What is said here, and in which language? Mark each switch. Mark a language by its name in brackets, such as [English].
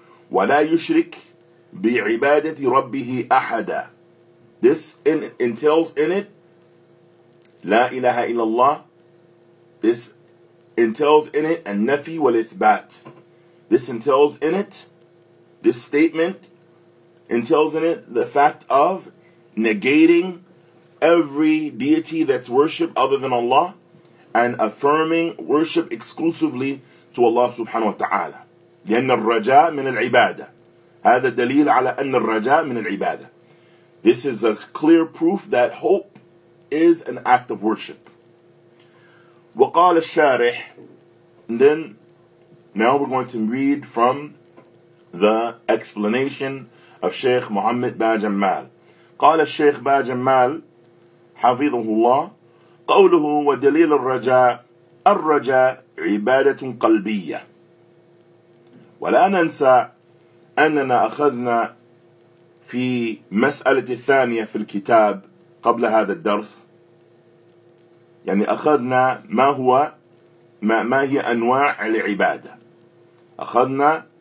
[English] وَلَا يُشْرِكْ بِعِبَادَةِ رَبِّهِ أَحَدًا, this entails in it لا إله إلا الله, this entails in it النفي والإثبات, this entails in it, this statement entails in it the fact of negating every deity that's worshipped other than Allah and affirming worship exclusively to Allah subhanahu wa ta'ala. [Arabic] لِأَنَّ الرَّجَاء مِنَ الْعِبَادَةِ. هذا دليل على أن الرجاء من العبادة. [English] This is a clear proof that hope is an act of worship. وقال الشارح, and then now we're going to read from the explanation of Sheikh Muhammad Bajamal. [Arabic] قال الشيخ باجمال حفظه الله: قوله ودليل الرجاء, الرجاء عبادة قلبية. ولا ننسى أننا أخذنا في مسألة الثانية في الكتاب قبل هذا الدرس, يعني أخذنا ما هي أنواع العبادة, أخذنا